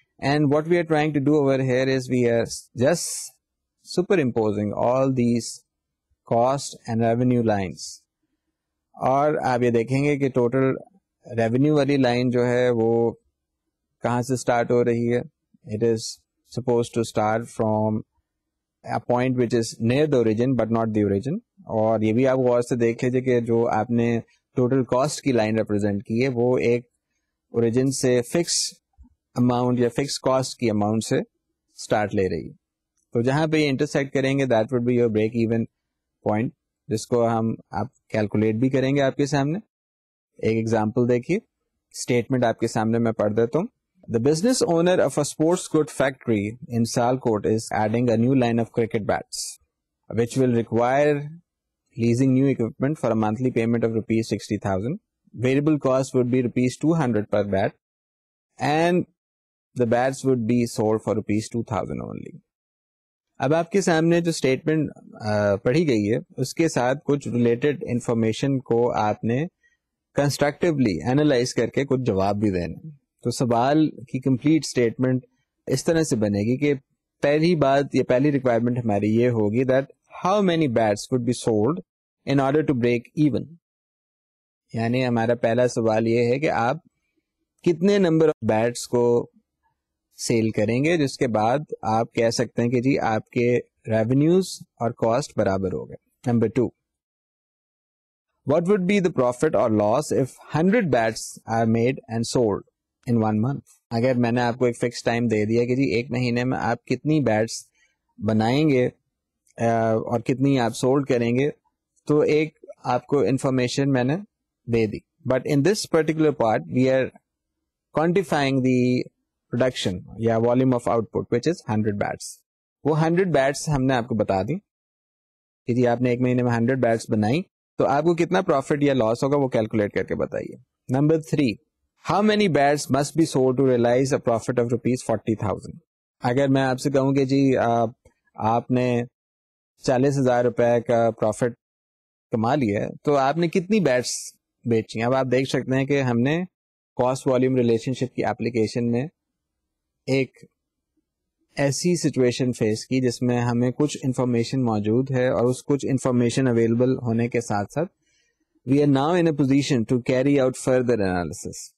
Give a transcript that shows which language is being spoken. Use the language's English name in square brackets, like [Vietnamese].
[English] And what we are trying to do over here is we are just superimposing all these cost and revenue lines. [Urdu] اور آپ یہ دیکھیں گے کہ total revenue والی line جو ہے وہ کہاں سے اسٹارٹ ہو رہی ہے. [English] It is suppose to start from a point which is near the origin but not the origin. [Urdu] اور یہ بھی آپ غور سے دیکھ لیجیے کہ جو آپ نے ٹوٹل کاسٹ کی لائن ریپرزینٹ کی ہے وہ ایک اوریجن سے فکس اماؤنٹ یا فکس کاسٹ کی اماؤنٹ سے اسٹارٹ لے رہی ہے. تو جہاں پہ یہ انٹرسیکٹ کریں گے [English] that would be your break even point, [Urdu] جس کو ہم آپ کیلکولیٹ بھی کریں گے آپ کے سامنے. ایک ایگزامپل دیکھیے, اسٹیٹمنٹ آپ کے سامنے میں پڑھ دیتا ہوں. [English] The business owner of a sports goods factory in Sialkot is adding a new line of cricket bats which will require leasing new equipment for a monthly payment of rupees 60,000. Variable cost would be rupees 200 per bat and the bats would be sold for rupees 2,000 only. [Urdu] اب آپ کے سامنے جو statement پڑھی گئی ہے اس کے ساتھ کچھ ریلیٹڈ انفارمیشن کو آپ نے کنسٹرکٹیولی اینالائز کر کے کچھ جواب بھی دینا. تو سوال کی کمپلیٹ اسٹیٹمنٹ اس طرح سے بنے گی کہ پہلی بات یا پہلی ریکوائرمنٹ ہماری یہ ہوگی [English] That how many bats would be sold in order to break even. [Urdu] یعنی ہمارا پہلا سوال یہ ہے کہ آپ کتنے نمبر آف بیٹس کو سیل کریں گے جس کے بعد آپ کہہ سکتے ہیں کہ جی آپ کے ریونیوز اور کاسٹ برابر ہو گئے. [English] Number two, what would be the profit اور loss if 100 bats are made and sold in one month. [Urdu] اگر میں نے آپ کو ایک فکس ٹائم دے دیا کہ جی ایک مہینے میں آپ کتنی بیٹس بنائیں گے اور کتنی آپ سولڈ کریں گے, تو ایک آپ کو انفارمیشن میں نے دے دی. [English] But in this particular part we are quantifying the production یا volume of output which is 100 bats. [Urdu] وہ 100 بیٹس ہم نے آپ کو بتا دی کہ جی آپ نے ایک مہینے میں 100 بیٹس بنائی تو آپ کو کتنا پروفٹ یا لاس ہوگا وہ کیلکولیٹ کر کے بتائیے. [English] Number 3, How many bats must be sold to realize a profit of rupees 40,000? [Urdu] اگر میں آپ سے کہوں کہ جی آپ نے 40,000 روپے کا پروفٹ کما لیا ہے تو آپ نے کتنی بیٹس بیچی ہیں. اب آپ دیکھ سکتے ہیں کہ ہم نے کاسٹ والیوم ریلیشن شپ کی اپلیکیشن میں ایک ایسی سچویشن فیس کی جس میں ہمیں کچھ انفارمیشن موجود ہے اور اس کچھ انفارمیشن اویلیبل ہونے کے ساتھ ساتھ [English] we are now in a position to carry out further analysis.